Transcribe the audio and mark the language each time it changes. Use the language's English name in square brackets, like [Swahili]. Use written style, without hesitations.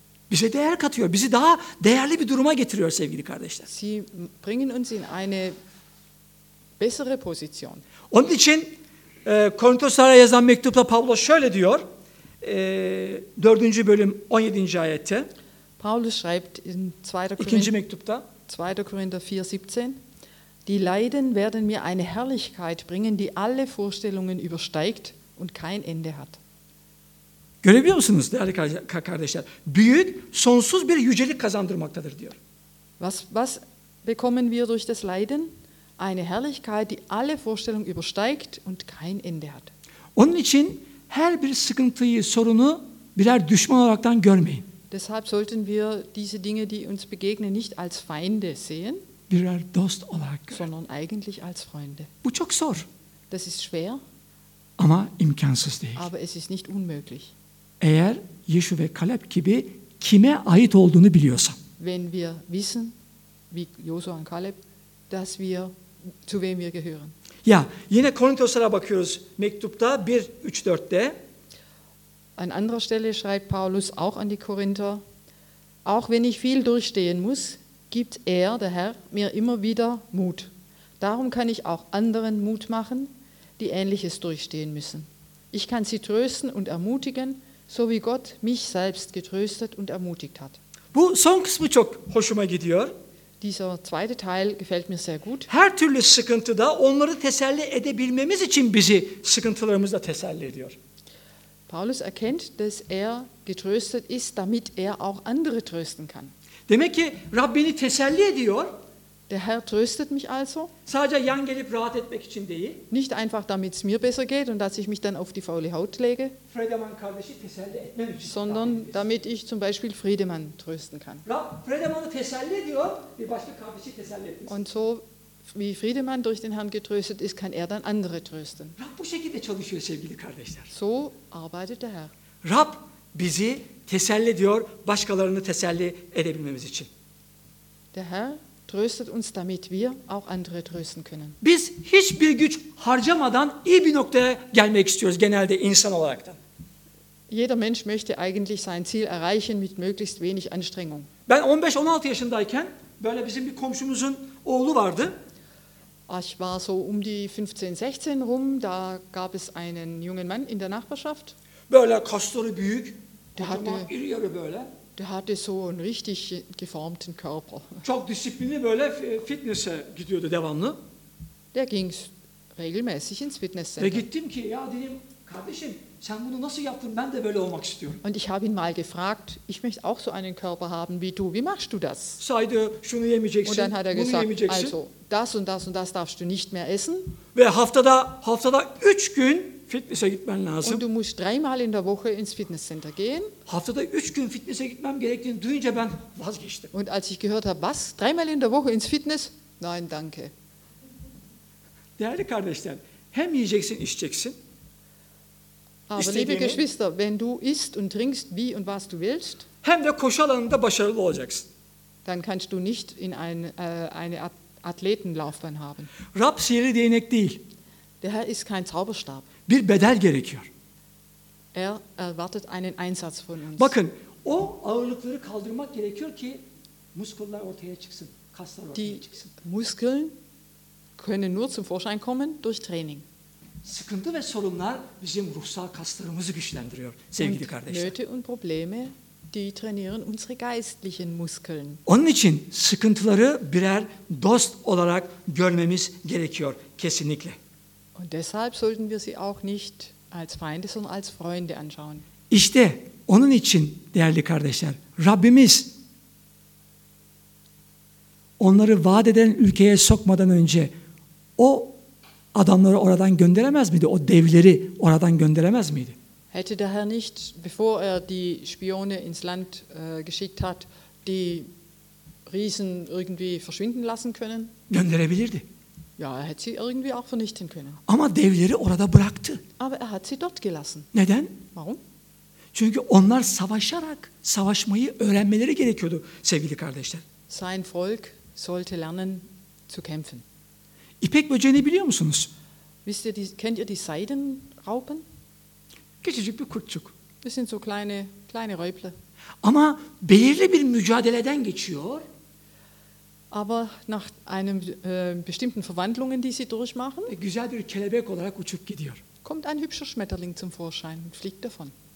[Turkish] Bize değer katıyor. Bizi daha değerli bir duruma getiriyor sevgili kardeşler. [German] Sie bringen uns in eine bessere Position. [Turkish] Onun için Korintoslara yazan mektupta Paulus şöyle diyor. 4. bölüm 17. ayette. [German] Paulus schreibt in 2. Korinther 4:17: Die Leiden werden mir eine Herrlichkeit bringen, die alle Vorstellungen übersteigt und kein Ende hat. [Turkish] Görebiliyor musunuz değerli kardeşler? Büyük, sonsuz bir yücelik kazandırmaktadır diyor. [German] Was bekommen wir durch das Leiden? Eine Herrlichkeit, die alle Vorstellungen übersteigt und kein Ende hat. [Turkish] Onun için her bir sıkıntıyı, sorunu birer düşman olaraktan görmeyin. [German] Deshalb sollten wir diese Dinge, die uns begegnen, nicht als Feinde sehen, [Turkish] birer dost olarak görmeyin. [German] Sondern eigentlich als Freunde. [Turkish] Bu çok zor. [German] Das ist schwer. [Turkish] Ama imkansız değil. [German] Aber es ist nicht unmöglich. [Turkish] Eğer Yeşu ve Kaleb gibi kime ait olduğunu biliyorsam. [German] Wenn wir wissen, wie Joshua und Caleb, dass wir zu wem wir gehören. [Turkish] Ya yine Korintoslara bakıyoruz mektupta 1:3-4'te. [German] An anderer Stelle schreibt Paulus auch an die Korinther: Auch wenn ich viel durchstehen muss, gibt er, der Herr, mir immer wieder Mut. Darum kann ich auch anderen Mut machen, die Ähnliches durchstehen müssen. Ich kann sie trösten und ermutigen, so wie Gott mich selbst getröstet und ermutigt hat. [Turkish] Bu son kısmı çok hoşuma gidiyor. [German] Dieser zweite Teil gefällt mir sehr gut. [Turkish] Her türlü sıkıntıda onları teselli edebilmemiz için bizi sıkıntılarımızla teselli ediyor. [German] Paulus erkennt, dass er getröstet ist, damit er auch andere trösten kann. [Turkish] Demek ki Rab beni teselli ediyor. [German] Der Herr tröstet mich also. [Turkish] Sadece yan gelip rahat etmek için değil. [German] Nicht einfach, damit es mir besser geht und dass ich mich dann auf die faule Haut lege. [Turkish] Friedemann kardeşi teselli etmem için. [German] Sondern damit ich zum Beispiel Friedemann trösten kann. [Turkish] Rab Friedemann'ı teselli ediyor, bir başka kardeşi teselli etmiş. [German] Und so wie Friedemann durch den Herrn getröstet ist, kann er dann andere trösten. [Turkish] Rab bu şekilde çalışıyor sevgili kardeşler. [German] So arbeitet der Herr. [Turkish] Rab bizi teselli ediyor, başkalarını teselli edebilmemiz için. [German] Der Herr tröstet uns, damit wir auch andere trösten können. [Turkish] Biz hiçbir güç harcamadan iyi bir noktaya gelmek istiyoruz genelde insan olarak da. [German] Jeder Mensch möchte eigentlich sein Ziel erreichen mit möglichst wenig Anstrengung. [Turkish] Ben 15-16 yaşındayken böyle bizim bir komşumuzun oğlu vardı. [German] Ich war so um die 15-16 rum, da gab es einen jungen Mann in der Nachbarschaft. [Turkish] Böyle kasları büyük, kocaman iri yarı böyle. [German] Der hatte so einen richtig geformten Körper. [Turkish] Çok disiplinli böyle fitness'e gidiyordu devamlı. [German] Der ging regelmäßig ins Fitnesscenter. [Turkish] Ve gittim ki ya dedim kardeşim sen bunu nasıl yaptın ben de böyle olmak istiyorum. [German] Und ich habe ihn mal gefragt, ich möchte auch so einen Körper haben wie du. Wie machst du das? [Turkish] Saydı şunu yemeyeceksin. [German] Und dann hat er gesagt, also das und das und das darfst du nicht mehr essen. [Turkish] Ve haftada 3 gün fitness'e gitmen lazım. [German] Und du musst dreimal in der Woche ins Fitnesscenter gehen. [Turkish] Haftada 3 gün fitness'e gitmem gerektiğini duyunca ben vazgeçtim. [German] Und als ich gehört habe, was? Dreimal in der Woche ins Fitness? Nein, danke. [Turkish] Değerli kardeşler, hem yiyeceksin, içeceksin. [German] Aber liebe Geschwister, wenn du isst und trinkst, wie und was du willst, [Turkish] hem de koşu alanında başarılı olacaksın. [German] Dann kannst du nicht in eine Athletenlaufbahn haben. [Turkish] Rab sihirli değnek değil. [German] Der Herr ist kein Zauberstab. [Turkish] Bir bedel gerekiyor. [German] Er erwartet einen Einsatz von uns. [Turkish] Bakın, o ağırlıkları kaldırmak gerekiyor ki muskullar ortaya çıksın, kaslar ortaya çıksın. [German] Die Muskeln können nur zum Vorschein kommen durch Training. [Turkish] Sıkıntı ve sorunlar bizim ruhsal kaslarımızı güçlendiriyor, sevgili kardeşler. [German] Nöte und Probleme, die trainieren unsere geistlichen Muskeln. [Turkish] Onun için sıkıntıları birer dost olarak görmemiz gerekiyor, kesinlikle. [German] Und deshalb sollten wir sie auch nicht als Feinde, sondern als Freunde anschauen. [Turkish] İşte onun için değerli kardeşler, Rabbimiz onları vaat eden ülkeye sokmadan önce o adamları oradan gönderemez miydi? O devleri oradan gönderemez miydi? [German] Hätte der Herr nicht, bevor er die Spione ins Land geschickt hat, die Riesen irgendwie verschwinden lassen können? [Turkish] Gönderebilirdi. [German] Ja, er hätte sie irgendwie auch vernichten können. [Turkish] Ama devleri orada bıraktı. [German] Aber er hat sie dort gelassen. [Turkish] Neden? [German] Warum? [Turkish] Çünkü onlar savaşarak savaşmayı öğrenmeleri gerekiyordu sevgili kardeşler. [German] Sein Volk sollte lernen zu kämpfen. [Turkish] İpek böceğini biliyor musunuz? [German] Wisst ihr, kennt ihr die Seidenraupen? [Turkish] Küçücük bir kurtçuk. [German] Das sind so kleine Räuble. [Turkish] Ama belirli bir mücadeleden geçiyor. [German] Aber nach einem bestimmten Verwandlungen, die sie durchmachen, [Turkish] güzel bir kelebek olarak uçup gidiyor. [German] Kommt ein hübscher Schmetterling zum Vorschein und fliegt davon.